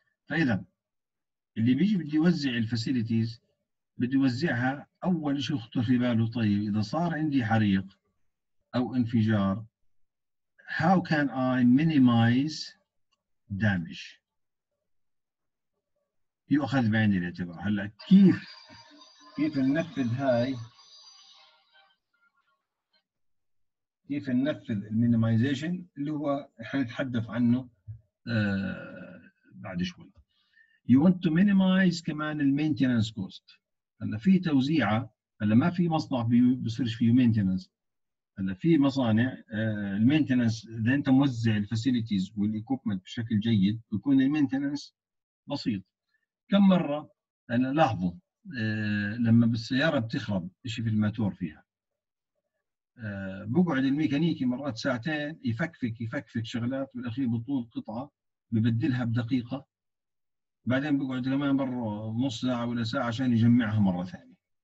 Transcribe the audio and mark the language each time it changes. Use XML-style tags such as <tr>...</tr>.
<ar>فاذا اللي بيجي بدي يوزع الفاسيليتيز بدي يوزعها اول شيء يخطر في باله، طيب اذا صار عندي حريق او انفجار</ar> <en>how can I minimize damage،</en> <ar>يؤخذ بعين الاعتبار. هلا كيف ننفذ هاي، كيف ننفذ المينيمايزيشن اللي هو حنتحدث عنه بعد شوي.</ar> <en>You want to minimize</en> <ar>كمان المينتيننس كوست. هلا في توزيعه، هلا ما في مصنع بيصيرش فيه مينتيننس، هلا في مصانع المينتيننس اذا انت موزع الفاسيليتيز والايكوبمنت بشكل جيد بيكون المينتيننس بسيط. كم مره انا لاحظوا لما بالسياره بتخرب شيء في الماتور فيها بقعد الميكانيكي مرات ساعتين يفكفك شغلات، بالاخير بطول قطعه ببدلها بدقيقه، بعدين بقعد كمان مره نص ساعه ولا ساعه عشان يجمعها مره ثانيه.</ar>